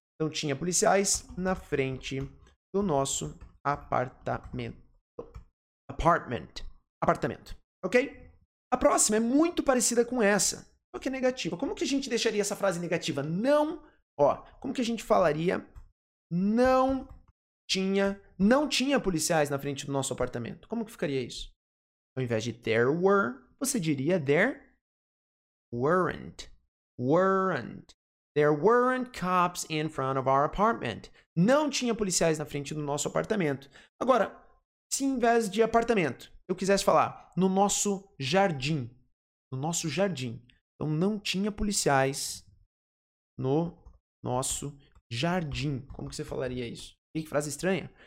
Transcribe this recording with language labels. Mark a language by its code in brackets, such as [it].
[pt] Então, tinha policiais na frente do nosso apartamento. Apartment. Apartamento. Ok? A próxima é muito parecida com essa. Só que é negativa. Como que a gente deixaria essa frase negativa? Não Ó, como que a gente falaria? Não tinha policiais na frente do nosso apartamento. Como que ficaria isso? Ao invés de [en] there were, [pt] você diria [en] there weren't. [pt] Weren't. [en] There weren't cops in front of our apartment. [pt] Não tinha policiais na frente do nosso apartamento. Agora, se em vez de apartamento, eu quisesse falar no nosso jardim. No nosso jardim. Então, não tinha policiais no nosso jardim. Como que você falaria isso? E que frase estranha?